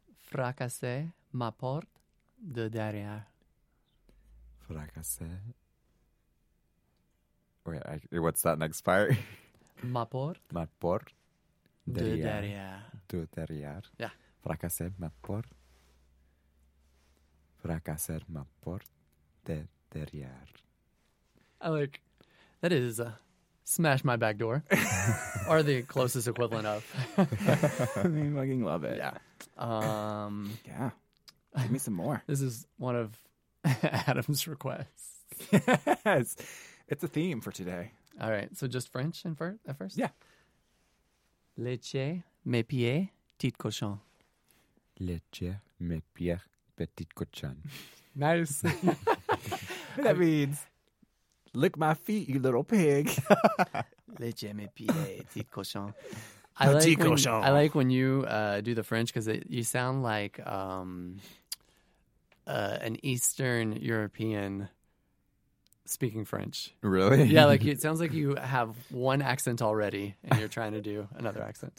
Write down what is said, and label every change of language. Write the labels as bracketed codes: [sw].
[fr] Fracassé ma porte de derrière. Fracassé. [en] Wait, what's that next part? [fr] Ma porte de derrière. De derrière. [en] Yeah. [fr] Fracassé ma porte. Fracassé ma porte de derrière. Derrière. [en] I like that is smash my back door or the closest equivalent of I fucking love it. Yeah. Yeah. Give me some more. This is one of Adam's requests. Yes. It's a theme for today. All right. So just French at first? Yeah. [fr] Léche mes pieds, petit cochon. Léche mes pieds, petit cochon. [en] Nice. That means Lick my feet, you little pig. [fr] Les jamais pieds, petit cochon. [en] I like when you do the French because you sound like an Eastern European speaking French. Really? Yeah, like it sounds like you have one accent already and you're trying to do another accent.